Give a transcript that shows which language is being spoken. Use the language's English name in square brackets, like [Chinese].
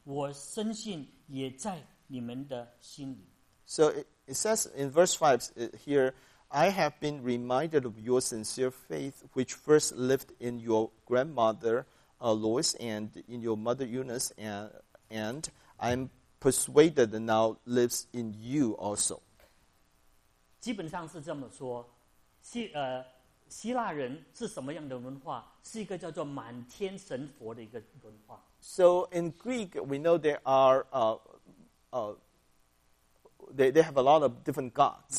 [Chinese] 他就第五节说，想到你心里无畏之信，这信是在先在你外祖母罗以和你母亲有尼基心里，我深信也在你们的心里。 [English] So it says in verse 5 here, I have been reminded of your sincere faith, which first lived in your grandmother Lois and in your mother Eunice, and I'm persuaded now lives in you also. [Chinese] 基本上是这么说，希腊人是什么样的文化？是一个叫做满天神佛的一个文化。 [English] So in Greek, we know there are they have a lot of different gods.